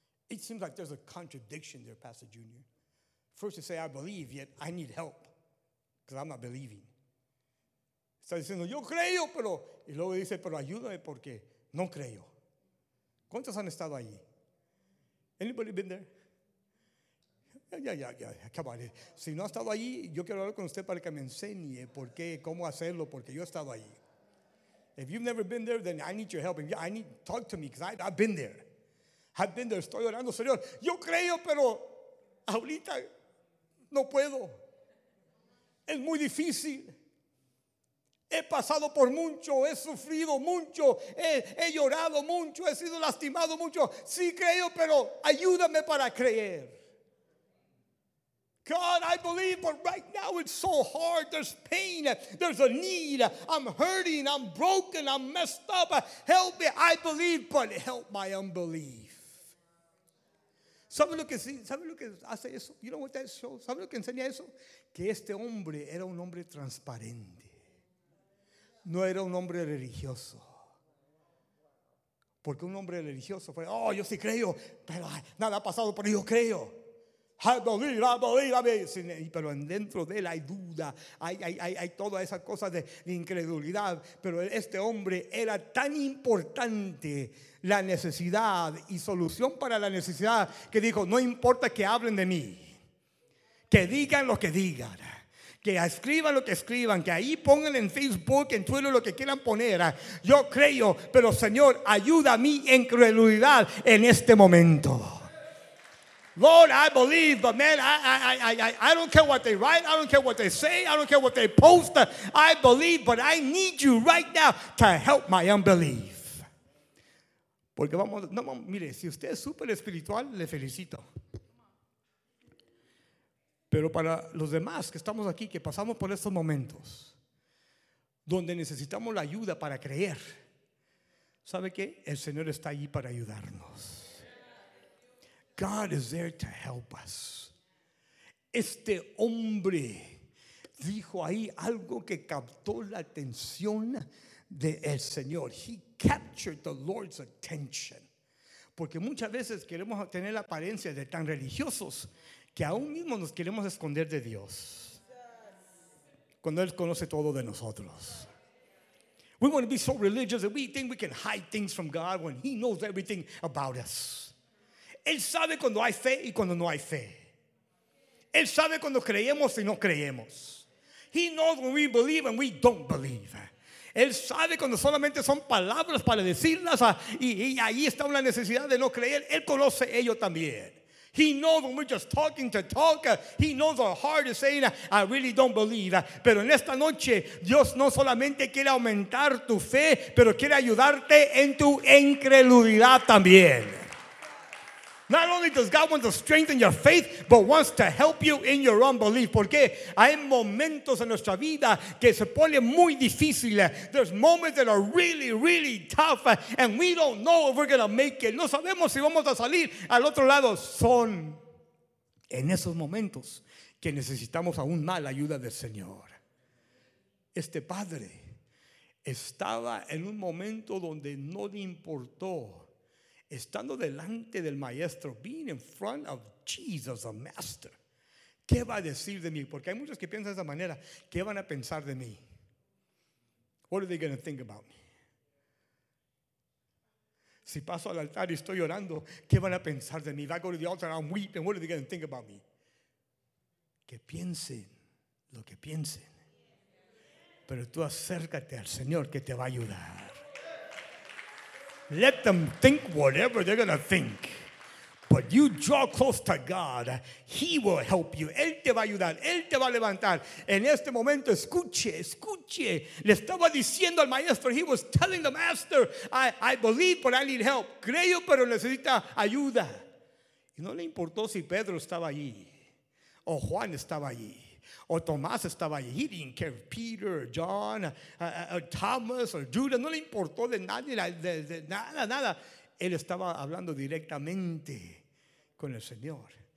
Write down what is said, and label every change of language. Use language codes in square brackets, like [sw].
[en] It seems like there's a contradiction there, Pastor Junior. First you say, I believe, yet I need help. Because I'm not believing. [es] Está diciendo, yo creo, pero... Y luego dice, pero ayúdame porque no creo. ¿Cuántos han estado allí? [en] Anybody been there? Yeah. Come on. [es] Si no ha estado allí, yo quiero hablar con usted para que me enseñe por qué, cómo hacerlo, porque yo he estado allí. [en] If you've never been there, then I need your help. I need, talk to me, because I've been there. I've been there, [es] estoy orando, Señor. Yo creo, pero ahorita no puedo. Es muy difícil. He pasado por mucho, he sufrido mucho, he llorado mucho, he sido lastimado mucho. Sí creo, pero ayúdame para creer. [en] God, I believe, but right now it's so hard. There's pain, there's a need. I'm hurting, I'm broken, I'm messed up. Help me, I believe, but help my unbelief. [es] ¿Sabe lo que hace eso? [en] You know what that shows? [es] ¿Sabe lo que enseña eso? Que este hombre era un hombre transparente. No era un hombre religioso. Porque un hombre religioso fue, oh, yo sí creo, pero nada ha pasado, pero yo creo. [en] I believe. [es] Pero dentro de él hay duda, hay toda esa cosa de incredulidad. Pero este hombre era tan importante la necesidad y solución para la necesidad que dijo, no importa que hablen de mí, que digan lo que digan, que escriban lo que escriban, que ahí pongan en Facebook, en Twitter, lo que quieran poner. Yo creo, pero Señor, ayuda a mi incredulidad en este momento. [en] Lord, I believe, but man, I don't care what they write. I don't care what they say. I don't care what they post. I believe, but I need you right now to help my unbelief. [es] Porque vamos, no, mire, si usted es súper espiritual, le felicito. Pero para los demás que estamos aquí, que pasamos por estos momentos, donde necesitamos la ayuda para creer, ¿sabe qué? El Señor está allí para ayudarnos. [en] God is there to help us. [es] Este hombre dijo ahí algo que captó la atención del Señor. [en] He captured the Lord's attention. [es] Porque muchas veces queremos tener la apariencia de tan religiosos que aún mismo nos queremos esconder de Dios. Cuando Él conoce todo de nosotros. [en] We want to be so religious that we think we can hide things from God when He knows everything about us. [es] Él sabe cuando hay fe y cuando no hay fe. Él sabe cuando creemos y no creemos. [en] He knows when we believe and we don't believe. [es] Él sabe cuando solamente son palabras para decirlas y ahí está una necesidad de no creer. Él conoce ello también. [en] He knows when we're just talking to talk. He knows our heart is saying, I really don't believe. [es] Pero en esta noche, Dios no solamente quiere aumentar tu fe, pero quiere ayudarte en tu incredulidad también. [en] Not only does God want to strengthen your faith, but wants to help you in your unbelief. [es] Porque hay momentos en nuestra vida que se pone muy difícil. [en] There's moments that are really, really tough. And we don't know if we're going to make it. [es] No sabemos si vamos a salir al otro lado. Son en esos momentos que necesitamos aún más la ayuda del Señor. Este padre estaba en un momento donde no le importó. Estando delante del maestro, [en] being in front of Jesus, the master, [es] ¿qué va a decir de mí? Porque hay muchos que piensan de esa manera. ¿Qué van a pensar de mí? [en] What are they going to think about me? [es] Si paso al altar y estoy llorando, ¿qué van a pensar de mí? [en] If I go to the altar, I'm weeping, what are they going to think about me? [es] Que piensen lo que piensen. Pero tú acércate al Señor que te va a ayudar. [en] Let them think whatever they're going to think. But you draw close to God. He will help you. [es] Él te va a ayudar. Él te va a levantar. En este momento, escuche, escuche. Le estaba diciendo al maestro. [en] He was telling the master, I believe, but I need help. [es] Creo, pero necesita ayuda. Y no le importó si Pedro estaba allí. O Juan estaba allí. O Tomás estaba allí. [en] He didn't care if Peter or John or Thomas or Judas. [es] No le importó de nadie, de nada, nada. Él estaba hablando directamente con el Señor.